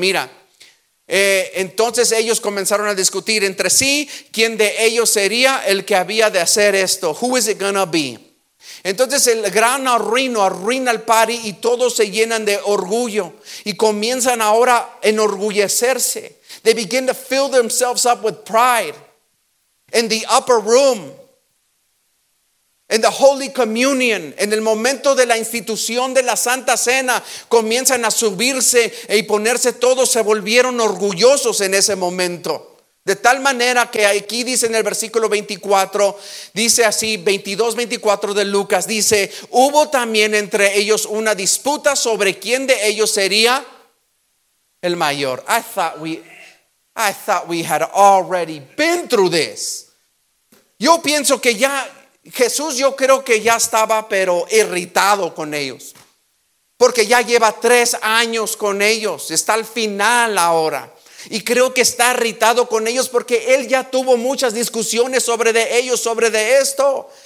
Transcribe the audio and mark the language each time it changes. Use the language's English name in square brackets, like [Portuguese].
[Spanish] Mira, entonces ellos comenzaron a discutir entre sí: ¿quién de ellos sería el que había de hacer esto? [English] Who is it gonna be? [Spanish] Entonces el gran arruina el party, y todos se llenan de orgullo y comienzan ahora a enorgullecerse. [English] They begin to fill themselves up with pride in the upper room, in the Holy Communion. [Spanish] En el momento de la institución de la Santa Cena comienzan a subirse y ponerse todos, se volvieron orgullosos en ese momento. De tal manera que aquí dice en el versículo 24, dice así, 22:24 de Lucas, dice: hubo también entre ellos una disputa sobre quién de ellos sería el mayor. [English] I thought we had already been through this. [Spanish] Yo pienso que ya Jesús, yo creo que ya estaba, pero irritado con ellos, porque ya lleva 3 años con ellos, está al final ahora. Y creo que está irritado con ellos porque él ya tuvo muchas discusiones sobre esto.